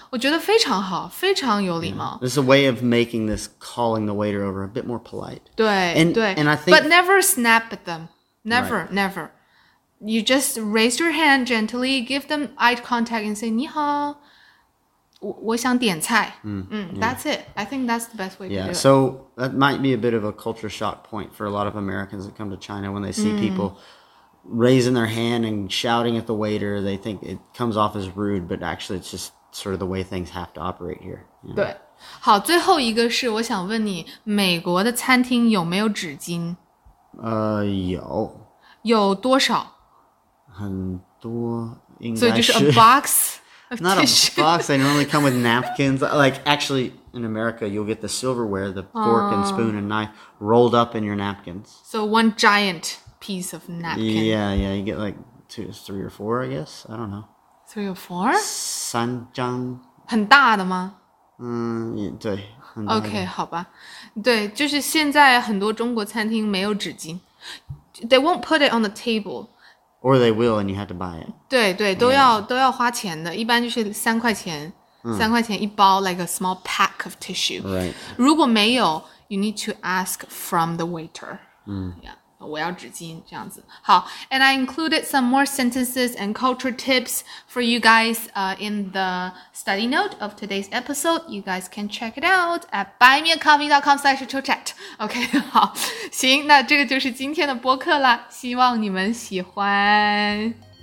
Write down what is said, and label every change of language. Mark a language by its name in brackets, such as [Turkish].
[Chinese] 我觉得非常好非常有礼貌。 [English] Yeah. It's a way of making this calling the waiter over a bit more polite. [Chinese] 对 [English] and, [Chinese] 对 [English] And I think, But never snap at them. Never,、 never. You just raise your hand gently, give them eye contact and say, [Chinese] 你好我想点菜、 [English] mm, mm, yeah. That's it. I think that's the best way yeah, to do it. So that might be a bit of a culture shock point for a lot of Americans that come to China when they see、mm. people raising their hand and shouting at the waiter. They think it comes off as rude, but actually it's just sort of the way things have to operate here. Yeah. [Chinese] 对。好,最后一个是我想问你,美国的餐厅有没有纸巾? 有。有多少? 很多,应该是。 [English] So just a box of tissue? Not a box, they normally come with napkins. Like, actually, in America, you'll get the silverware, the fork and spoon and knife, rolled up in your napkins. So one giant piece of napkin. Yeah, yeah, you get like three or four, I guess. I don't know. Three or four? [Chinese] 三张。很大的吗? 对。 OK, 好吧。对,就是现在很多中国餐厅没有纸巾。 [English] They won't put it on the table. Or they will and you have to buy it. [Chinese] 对对,都要花钱的。一般就是三块钱。三块钱一包 [English] like a small pack of tissue. Right. [Chinese] 如果没有 [English] you need to ask from the waiter. [Chinese] 我要纸巾这样子。好 [English] ,and I included some more sentences and culture tips for you guys in the study note of today's episode. You guys can check it out at buymeacoffee.com/chitchat. Okay, [Chinese] 好。行那这个就是今天的播客啦希望你们喜欢。